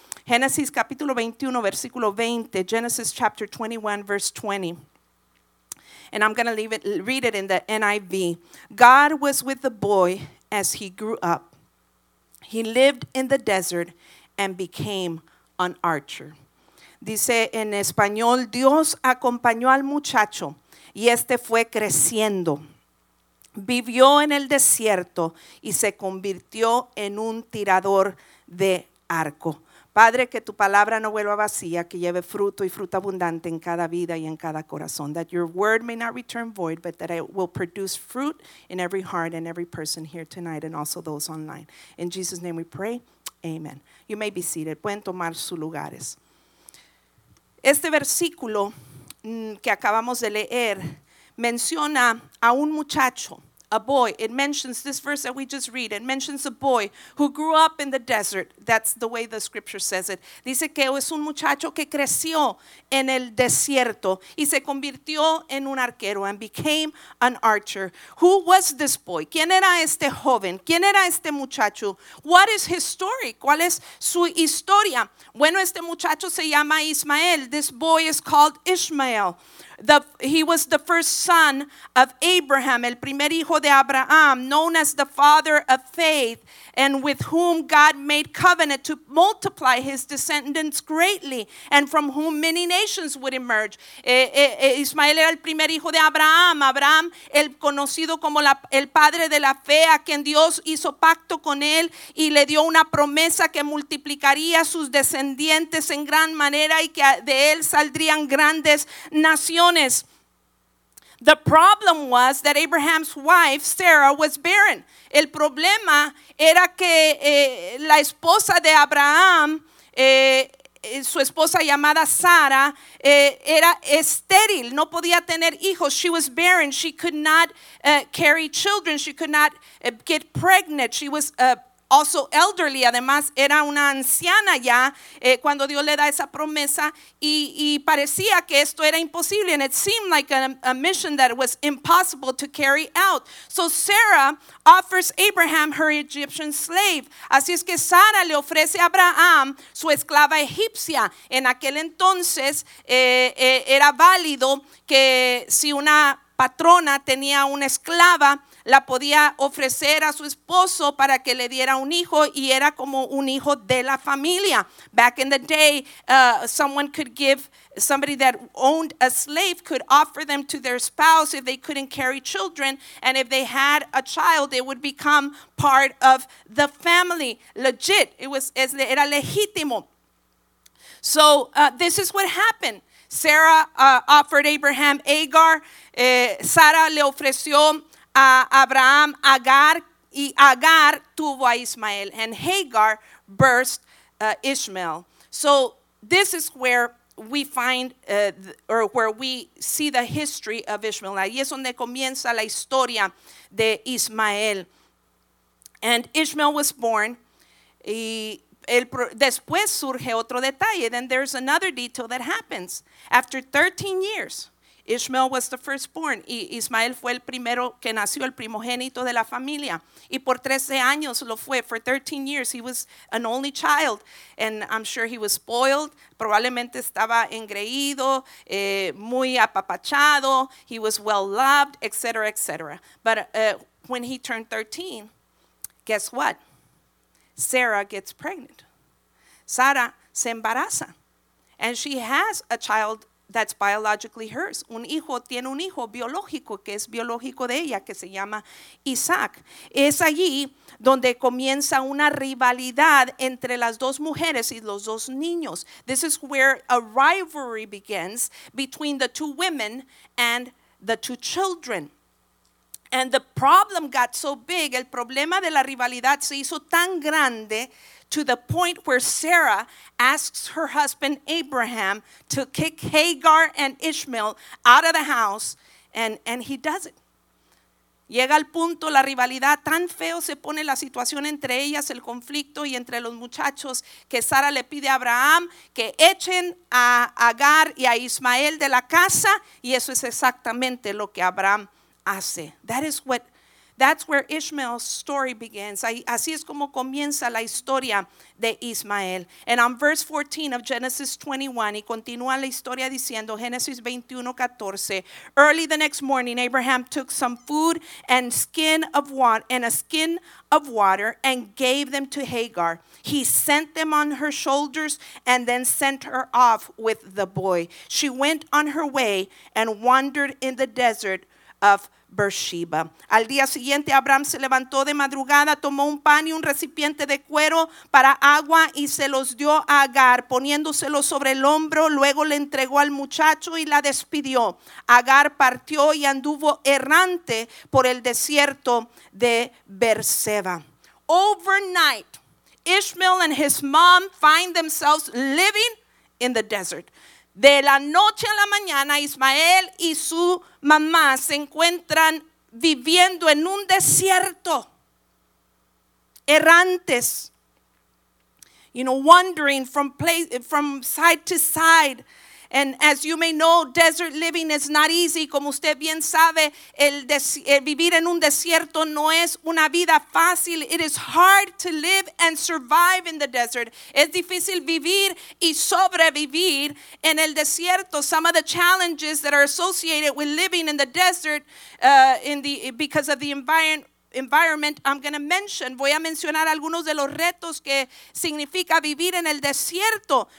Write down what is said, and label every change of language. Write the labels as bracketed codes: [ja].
[es] Genesis capítulo 21, versículo 20. [en] Genesis chapter 21, verse 20. And I'm going to read it in the NIV. God was with the boy as he grew up. He lived in the desert and became an archer. [es] Dice en español, Dios acompañó al muchacho y este fue creciendo. Vivió en el desierto y se convirtió en un tirador de arco. Padre, que tu palabra no vuelva vacía, que lleve fruto y fruto abundante en cada vida y en cada corazón. [en] That your word may not return void, but that it will produce fruit in every heart and every person here tonight and also those online. In Jesus' name we pray, amen. You may be seated. [es] Pueden tomar sus lugares. Este versículo que acabamos de leer menciona a un muchacho. [en] A boy, it mentions this verse that we just read. It mentions a boy who grew up in the desert. That's the way the scripture says it. [es] Dice que es un muchacho que creció en el desierto y se convirtió en un arquero [en] and became an archer. Who was this boy? [es] ¿Quién era este joven? ¿Quién era este muchacho? [en] What is his story? [es] ¿Cuál es su historia? Bueno, este muchacho se llama Ismael. [en] This boy is called Ishmael. He was the first son of Abraham, [es] el primer hijo de Abraham, [en] known as the father of faith, and with whom God made covenant to multiply his descendants greatly, and from whom many nations would emerge. [es] Ismael era el primer hijo de Abraham. Abraham, el conocido como el padre de la fe, a quien Dios hizo pacto con él y le dio una promesa que multiplicaría sus descendientes en gran manera y que de él saldrían grandes naciones. [en] The problem was that Abraham's wife, Sarah, was barren. [es] El problema era que la esposa de Abraham, su esposa llamada Sara, era estéril, no podía tener hijos. [en] She was barren. She could not carry children. She could not get pregnant. She was also elderly, [es] además era una anciana ya cuando Dios le da esa promesa y parecía que esto era imposible, [en] and it seemed like a mission that was impossible to carry out. So Sarah offers Abraham her Egyptian slave. [es] Así es que Sara le ofrece a Abraham su esclava egipcia. En aquel entonces era válido que si una patrona tenía una esclava, la podía ofrecer a su esposo para que le diera un hijo y era como un hijo de la familia. [en] Back in the day, somebody that owned a slave could offer them to their spouse if they couldn't carry children, and if they had a child, it would become part of the family. Legit, [es] era legítimo. [en] So this is what happened. Sarah offered Abraham Hagar. [es] Sara le ofreció a Abraham Agar, y Agar tuvo a Ismael, [en] and Hagar birthed Ishmael. So this is where we find, where we see the history of Ishmael. [es] Ahí es donde comienza la historia de Ismael. [en] And Ishmael was born, [es] y después surge otro detalle. [en] Then there's another detail that happens. After 13 years, Ishmael was the firstborn. [es] Y Ismael fue el primero que nació, el primogénito de la familia. Y por 13 años lo fue. [en] For 13 years, he was an only child. And I'm sure he was spoiled. [es] Probablemente estaba engreído, muy apapachado. [en] He was well-loved, etc., etc. But when he turned 13, guess what? Sarah gets pregnant. [es] Sara se embaraza. [en] And she has a child that's biologically hers. [es] Un hijo tiene un hijo biológico que es biológico de ella, que se llama Isaac. Es allí donde comienza una rivalidad entre las dos mujeres y los dos niños. [en] This is where a rivalry begins between the two women and the two children. And the problem got so big, [es] el problema de la rivalidad se hizo tan grande, [en] to the point where Sarah asks her husband Abraham to kick Hagar and Ishmael out of the house, and he does it. [es] Llega al punto la rivalidad, tan feo se pone la situación entre ellas, el conflicto y entre los muchachos, que Sara le pide a Abraham que echen a Agar y a Ismael de la casa, y eso es exactamente lo que Abraham hace. [en] That's where Ishmael's story begins. [es] Así es como comienza la historia de Ismael. [en] And on verse 14 of Genesis 21, [es] y continúa la historia diciendo, [en] Genesis 21, 14, early the next morning, Abraham took some food and a skin of water and gave them to Hagar. He sent them on her shoulders and then sent her off with the boy. She went on her way and wandered in the desert of Beersheba. [es] Al día siguiente, Abraham se levantó de madrugada, tomó un pan y un recipiente de cuero para agua y se los dio a Agar, poniéndoselo sobre el hombro. Luego le entregó al muchacho y la despidió. Agar partió y anduvo errante por el desierto de Beersheba. [en] Overnight, Ishmael and his mom find themselves living in the desert. [es] De la noche a la mañana, Ismael y su mamá se encuentran viviendo en un desierto, errantes, [en] you know, wandering from side to side. And as you may know, desert living is not easy. [es] Como usted bien sabe, vivir en un desierto no es una vida fácil. [en] It is hard to live and survive in the desert. [es] Es difícil vivir y sobrevivir en el desierto. [en] Some of the challenges that are associated with living in the desert because of the environment I'm going to mention. [es] Voy a mencionar algunos de los retos que significa vivir en el desierto.